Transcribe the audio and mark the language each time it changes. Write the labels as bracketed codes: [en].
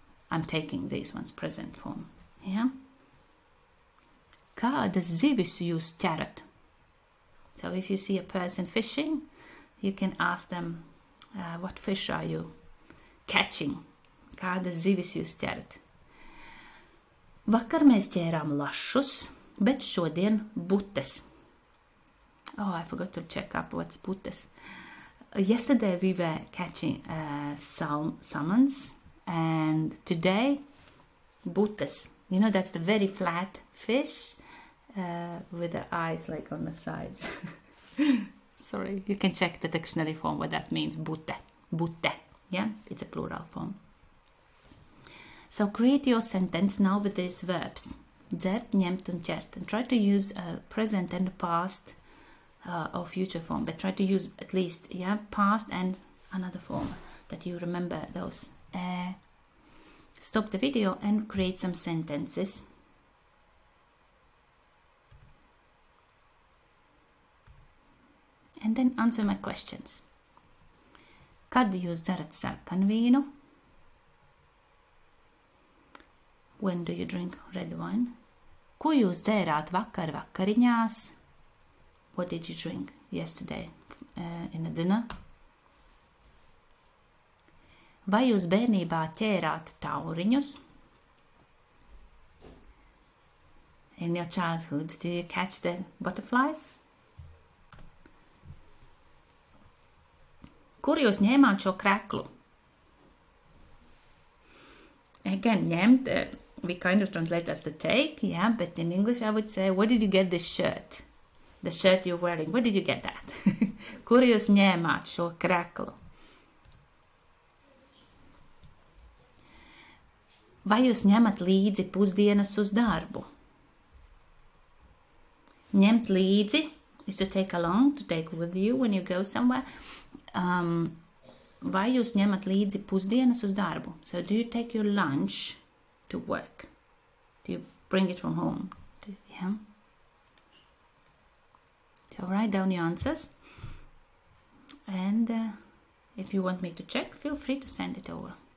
[en] I'm taking these ones, present form. Yeah? [lv] Kādas zivis jūs ķerat? [en] So if you see a person fishing, you can ask them, what fish are you catching? [lv] Kādas zivis jūs ķerat? Vakar mēs ķērām lašus, bet šodien butes. [en] Oh, I forgot to check up what's butes. Yesterday we were catching salmons, and today butes. You know, that's the very flat fish. With the eyes like on the sides. Sorry, you can check the dictionary form what that means. Bute. Bute. Yeah, it's a plural form. So create your sentence now with these verbs. [lv] Dzert, ņemt un ķert. [en] And try to use present and past or future form. But try to use at least past and another form that you remember those. Stop the video and create some sentences. And then answer my questions. [lv] Kad jūs dzerat sarkanvīnu? [en] When do you drink red wine? [lv] Ko jūs dzērāt vakar vakariņās? [en] What did you drink yesterday in a dinner? [lv] Vai jūs bērnībā ķērāt tauriņus? [en] In your childhood, did you catch the butterflies? [lv] Kur jūs ņēmāt šo kreklu? [en] Again, ņemt, we kind of translate as to take, yeah, but in English I would say, where did you get this shirt? The shirt you're wearing, where did you get that? [lv] Kur jūs ņēmāt šo kreklu? Vai jūs ņemat līdzi pusdienas uz darbu? Ņemt līdzi [en] is to take along, to take with you when you go somewhere. [lv] Vai jūs ņemat līdzi pusdienas uz darbu? [en] So, do you take your lunch to work? Do you bring it from home? Yeah. So write down your answers. And if you want me to check, feel free to send it over.